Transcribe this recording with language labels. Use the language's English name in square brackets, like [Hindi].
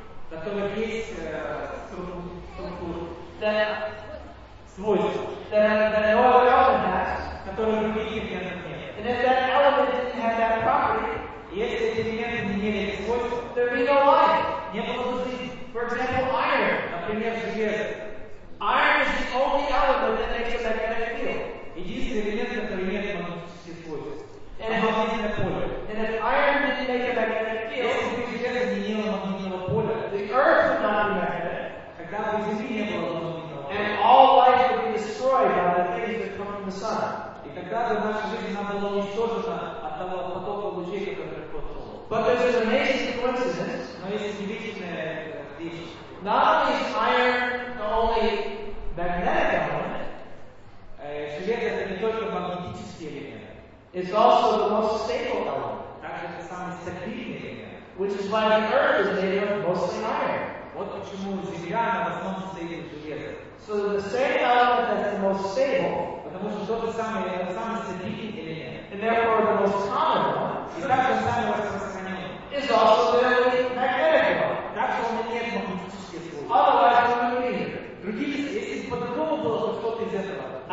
[Russian] Которые есть структуру. [English] That [Russian] свойства. [English] That no other element has. [Russian] Которые другие элементы нет. [English] And if that element didn't have that property. [Russian] Если эти элементы не имели этих свойств. [English] There'd be no life. [Russian] Не было бы жизни. [English] For example, iron. [Russian] Например, железо. [English] Iron is the only element that makes a magnetic field. [Russian] Единственный элемент, который имеет магнетические свойства. Магнитное поле. [English] And if iron didn't make a magnetic field, [Russian] если бы железо не имело магнитного поля, [English] the earth would not be magnetic. [Russian] Тогда бы земли не было магнитного поля. [English] And all life would be destroyed by the things that come from the sun. [Russian] И тогда бы наша жизнь нам была уничтожена от того потока лучей, который приходит в Солнце. [English] But there's an amazing coincidence. [Russian] Но есть удивительное вещь. [English] Not only is iron the only magnetic element, [Russian] железо это не только магнетический элемент. [English] It's also the most stable element. [Russian] Также это самый стабильный элемент. [English] Which is why the earth is made of mostly iron. [Russian] Вот почему земля на основном состоит из железа. [English] So the same element that's the most stable, [Russian] потому что тот самый стабильный элемент, [English] and therefore the most common one, [Russian] и также самый распространенный, [English] is also the magnetic element. [Russian] Так что он имеет магнетические свойства. [English] Otherwise, what do you mean? [Russian] Другие, если бы по-другому было, то что-то из этого.